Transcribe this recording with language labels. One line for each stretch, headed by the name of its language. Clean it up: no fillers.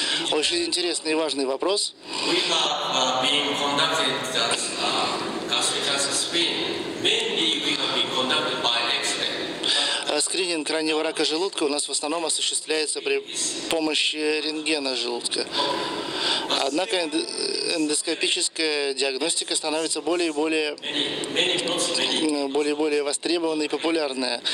Russian: Очень интересный и важный вопрос.
English: We have been conducting that gastric cancer screen. Mainly we have been conducted by
Russian: скрининг раннего рака желудка у нас в основном осуществляется при помощи рентгена желудка. Однако эндоскопическая диагностика становится более и более востребованной и популярной.